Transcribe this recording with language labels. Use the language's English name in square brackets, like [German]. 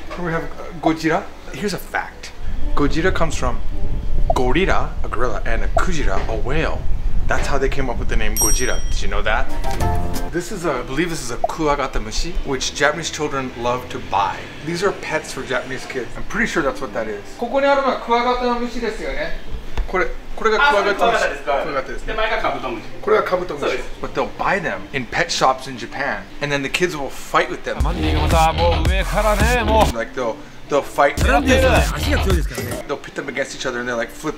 [English] We have Gojira. Here's a fact. Gojira comes from gorilla, a gorilla, and a kujira, a whale. That's how they came up with the name Gojira. Did you know that? I believe this is a kuwagata mushi, which Japanese children love to buy. These are pets for Japanese kids. I'm pretty sure that's what that is. [Japanese] ここにあるのはクワガタの虫ですよね。これがクワガタです。クワガタです。で、前がカブトムシ。これがカブトムシ。 [English] But they'll buy them in pet shops in Japan, and then the kids will fight with them. Like they'll fight. They'll pit them against each other and they're like flip.